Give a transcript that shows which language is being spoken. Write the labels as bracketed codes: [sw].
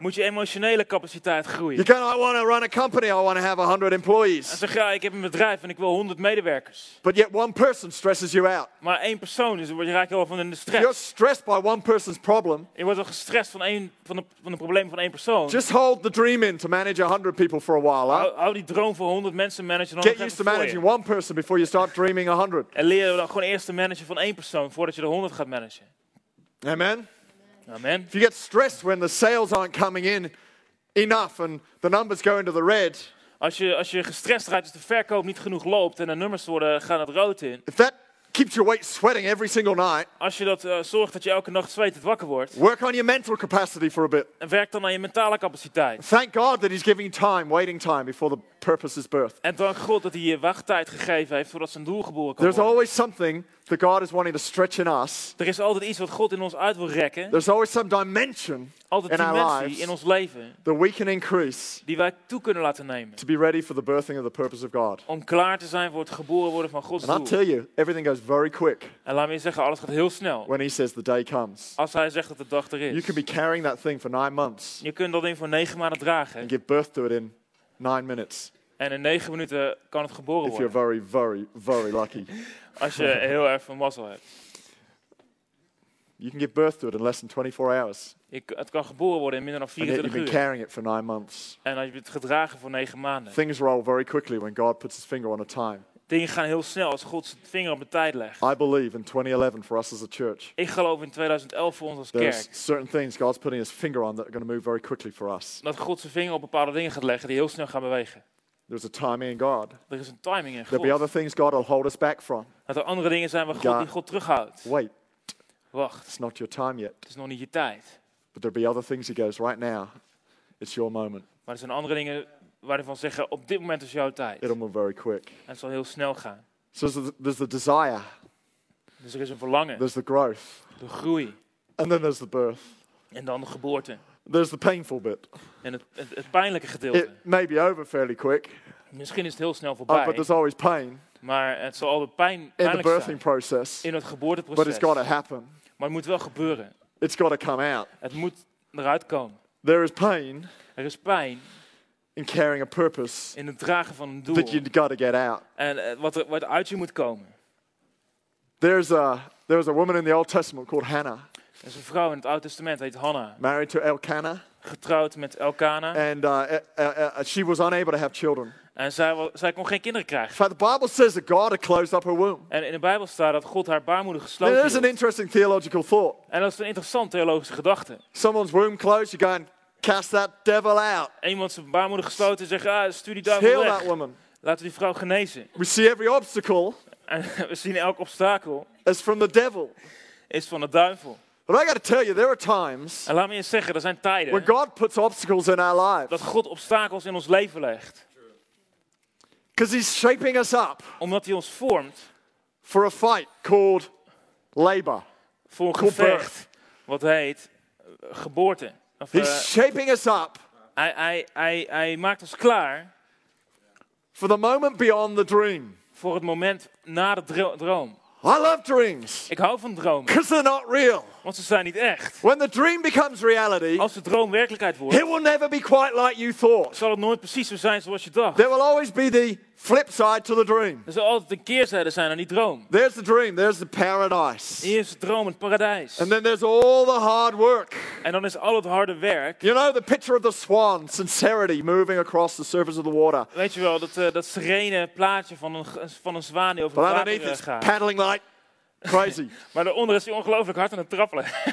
[nl] Moet je emotionele capaciteit groeien? [en] You can, I want to run a company, I want to have 100 employees. [nl] En zeg, ja, ik heb een bedrijf en ik wil 100 medewerkers. [en] But yet one person stresses you out. [nl] Maar één persoon is, je raakt heel van in de stress. [en] You're stressed by one person's problem. [nl] Je wordt al gestrest van de problemen van één persoon. [en] Just hold the dream in to manage 100 people for a while. [nl] Hou die droom voor 100 mensen managen. [en] Get used to managing one person before you start dreaming 100. [nl] En leer dan gewoon eerst te managen van één persoon voordat je de 100 gaat managen. [en] Amen. [nl] Amen. [en] If you get stressed when the sales aren't coming in enough and the numbers go into the red. [nl] Als je gestrest raakt, dus de verkoop niet genoeg loopt en de nummers gaan het rood in. [en] If that keeps your weight sweating every single night. [nl] Als je dat zorgt dat je elke nacht zweetend wakker wordt. [en] Work on your mental capacity for a bit. [nl] En werk dan aan je mentale capaciteit. [en] Thank God that He's giving you time, waiting time before the purpose is birthed. [nl] En dank God dat Hij je wachttijd gegeven heeft voordat zijn doel geboren kan [en] There's [nl] worden. [en] Always something that God is wanting to stretch in us. [nl] Er is altijd iets wat God in ons uit wil rekken. [en] There's always some dimension [nl] altijd [en] in our lives [nl] in ons leven [en] that we can increase [nl] die wij toe kunnen laten nemen. [en] To be ready for the birthing of the purpose of God. [nl] Om klaar te zijn voor het geboren worden van Gods [en] and [nl] doel. [en] And I tell you, everything goes very quick. [nl] En laat me je zeggen, alles gaat heel snel. [en] When He says the day comes. [nl] Als Hij zegt dat de dag er is. [en] You can be carrying that thing for 9 months. [nl] Je kunt dat ding voor 9 maanden dragen. [en] And give birth to it in 9 minutes. [nl] En in 9 minuten kan het geboren [en] If you're [nl] worden. [en] Very, very, very lucky. [nl] Als je heel erg van mazzel hebt. [en] You can give birth to it in less than 24 hours. [nl] Het kan geboren worden in minder dan 24 uur. [en] And you've been carrying it for 9 months. [nl] En dan heb je het gedragen voor 9 maanden. [en] Things roll very quickly when God puts His finger on a time. [nl] Dingen gaan heel snel als God zijn vinger op de tijd legt. [en] I believe in 2011 for us as a church. [nl] Ik geloof in 2011 voor ons als kerk. [en] There's certain things God's putting His finger on that are going to move very quickly for us. [nl] Dat God zijn vinger op bepaalde dingen gaat leggen die heel snel gaan bewegen. [en] There's a timing in God. [nl] Er is een timing in God. [en] There'll be other things God will hold us back from. [nl] Dat er andere dingen zijn waar God die God terughoudt. [en] Wait. [nl] Wacht. [en] It's not your time yet. [nl] Het is nog niet je tijd. [en] But there'll be other things He goes right now. It's your moment. [nl] Maar er zijn andere dingen waarvan zeggen op dit moment is jouw tijd. [en] It'll move very quick. [nl] En het zal heel snel gaan. [en] So there's the desire. [nl] Dus er is een verlangen. [en] There's the growth. [nl] De groei. [en] And then there's the birth. [nl] En dan de geboorte. [en] There's the painful bit. [nl] En het pijnlijke gedeelte. [en] It may be over fairly quick. [nl] Misschien is het heel snel voorbij. [en] But there's always pain. [nl] Maar het zal altijd pijn. [en] In the birthing [nl] zijn. [en] Process. [nl] In het geboorteproces. [en] But it's got to happen. [nl] Maar het moet wel gebeuren. [en] It's got to come out. [nl] Het moet eruit komen. [en] There is pain. [nl] Er is pijn. [en] In carrying a purpose. [nl] In het dragen van een doel. [en] That you've got to get out. [nl] En wat uit je moet komen. [en] There's a woman in the Old Testament called Hannah. [nl] Er is een vrouw in het Oude Testament, heet Hannah. [en] Married to Elkanah. [nl] Getrouwd met Elkanah. [en] And she was unable to have children. [nl] En zij kon geen kinderen krijgen. [en] But the Bible says that God had closed up her womb. [nl] En in de Bijbel staat dat God haar baarmoeder gesloten heeft. [en] It is an interesting theological thought. [nl] En dat is een interessante theologische gedachte. [en] Someone's womb closed, you go and cast that devil out. [nl] Iemand zijn baarmoeder gesloten en zegt, stuur die duivel [en] Heal [nl] weg. [en] Heal that woman. [nl] Laten we die vrouw genezen. [en] We see every obstacle. [nl] En we zien elk obstakel. [en] Is from the devil. [nl] Is van de duivel. [en] But I got to tell you, there are times. [nl] En laat me eens zeggen, er zijn tijden. [en] Where God puts obstacles in our lives. [nl] Dat God obstakels in ons leven legt. [en] Because He's shaping us up. [nl] Omdat Hij ons vormt. [en] For a fight called labor. [nl] Voor een gevecht. Wat heet geboorte. [en] Of, He's shaping us up. [nl] Hij maakt ons klaar. [en] For the moment beyond the dream. [nl] Voor het moment na de droom. [en] I love dreams. [nl] Ik hou van dromen. [en] Because they're not real. [nl] Want ze zijn niet echt. [en] When the dream becomes reality, [nl] als de droom werkelijkheid wordt, [en] it will never be quite like you thought. [nl] Zal het nooit precies zo zijn zoals je dacht. [en] There will always be the flip side to the dream. [nl] Er zal altijd een keerzijde zijn aan die droom. [en] There's the dream. There's the paradise. [nl] Hier is de droom, het paradijs. [en] And then there's all the hard work. [nl] En dan is al het harde werk. [en] You know the picture of the swan, sincerity, moving across the surface of the water. [nl] Weet je wel dat serene plaatje van een zwaan die over het water gaat. [en] But paddling like crazy. [nl] Maar daaronder is hij ongelooflijk hard aan het trappelen.